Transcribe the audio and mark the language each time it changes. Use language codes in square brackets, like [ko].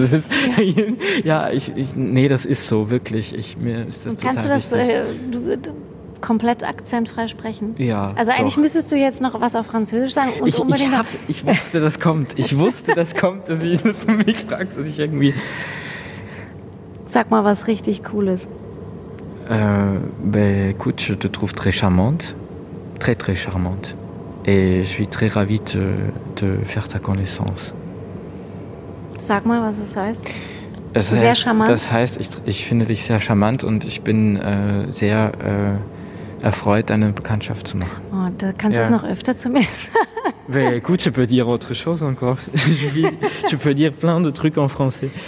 [de] Das ist, ja, nee, das ist so, wirklich. Mir ist das kannst total du das komplett akzentfrei sprechen? Ja. Also eigentlich müsstest du jetzt noch was auf Französisch sagen und ich wusste, das kommt. Ich wusste, das kommt, dass ich das mich fragst, dass ich irgendwie... Sag mal was richtig Cooles. [fr] Écoute, je te trouve très charmante. Très, très charmante. Et je suis très ravi de faire ta connaissance. [de] Sag mal, was es heißt. Das heißt, sehr charmant. Das heißt, ich finde dich sehr charmant und ich bin sehr erfreut, deine Bekanntschaft zu machen. Oh, da kannst du es noch öfter zu mir sagen. [fr] Gut, je peux dire autre chose encore. Je peux dire plein de trucs en français.